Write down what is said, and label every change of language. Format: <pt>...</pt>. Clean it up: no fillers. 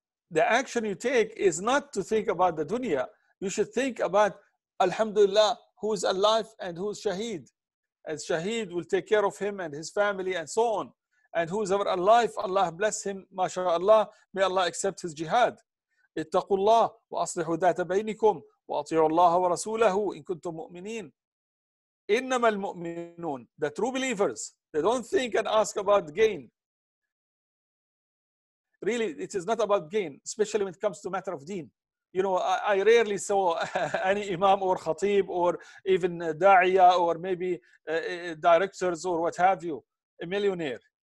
<en>The action you take is not to think about the dunya. You should think about, alhamdulillah, who is alive and who is shaheed. As shaheed will take care of him and his family and so on. And who is ever alive, Allah bless him, mashallah, may Allah accept his jihad.</en> <ar>اتقوا الله وأصلحوا ذات بينكم وأطيعوا الله ورسوله إن كنتم مؤمنين. إنما المؤمنون,</ar> <en>the true believers, they don't think and ask about gain. Really, it is not about gain, especially when it comes to matter of deen. You know, I rarely saw any imam or khatib or even da'iyah or maybe directors or what have you, a millionaire.</en>